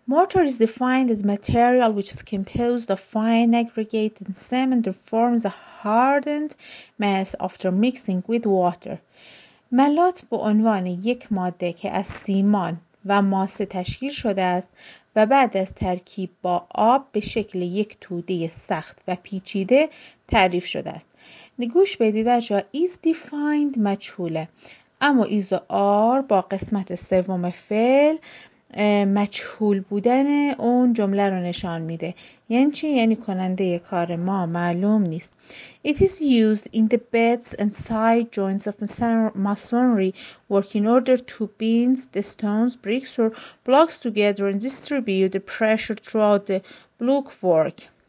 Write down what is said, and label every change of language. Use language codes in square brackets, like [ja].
[en] Mortar is defined as material which is composed of fine aggregate and cement that forms a hardened mass after mixing with water. [fa] ملات به عنوان یک ماده که از سیمان و ماسه تشکیل شده است و بعد از ترکیب با آب به شکل یک توده سخت و پیچیده تعریف شده است. نگوش بدید بچه ها. [en] is defined [fa] مجهوله. اما is و are با قسمت سوم فعل مجهول بودن اون جمله رو نشان میده. یعنی چی؟ یعنی کننده کار ما معلوم نیست. [en] It is used in the beds and side joints of masonry work in order to bind the stones, bricks or blocks together and distribute the pressure throughout the block work.